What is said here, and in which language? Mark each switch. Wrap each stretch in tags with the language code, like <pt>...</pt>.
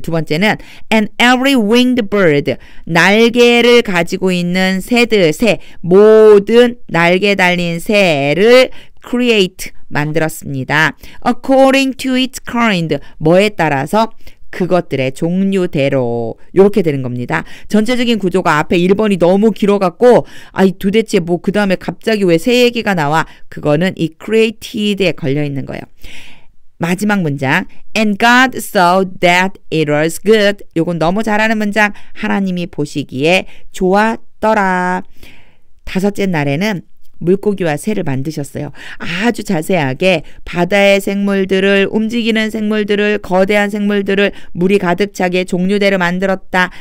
<ko>두 번째는</ko> <en>and every winged bird,</en> <ko>날개를 가지고 있는 새들, 새, 모든 날개 달린 새를 create, 만들었습니다.</ko> <en>According to its kind,</en> <ko>뭐에 따라서? 그것들의 종류대로 이렇게 되는 겁니다. 전체적인 구조가 앞에 1번이 너무 길어갖고 아이 도대체 뭐 그 다음에 갑자기 왜 새 얘기가 나와? 그거는 이 created에 걸려있는 거예요. 마지막 문장</ko> <en>And God saw that it was good.</en> <ko>이건 너무 잘하는 문장. 하나님이 보시기에 좋았더라. 다섯째 날에는 물고기와 새를 만드셨어요. 아주 자세하게 바다의 생물들을 움직이는 생물들을 거대한 생물들을 물이 가득 차게 종류대로 만들었다.</ko>